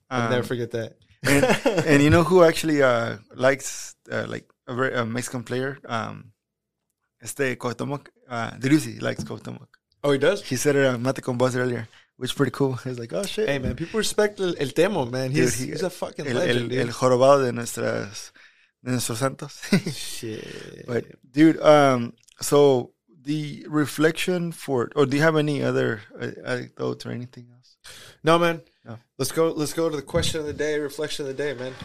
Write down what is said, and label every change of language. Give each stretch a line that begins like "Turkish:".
English: I'll never forget that. And you know who actually likes like a very Mexican player?
Spanish: Este
English: Cuauhtémoc. Dirusi likes Cuauhtémoc. Oh, he does. He said it on Mate con Buzz earlier, which is pretty cool. He's like, oh shit. Hey man, people respect el Temo, man. He's a fucking legend.
Spanish: El jorobado de nuestros santos.
English: Shit. But dude, so the reflection for, or do you have any other anecdotes or anything? No, man. No. Let's go to the question of the day. Reflection of the day, man.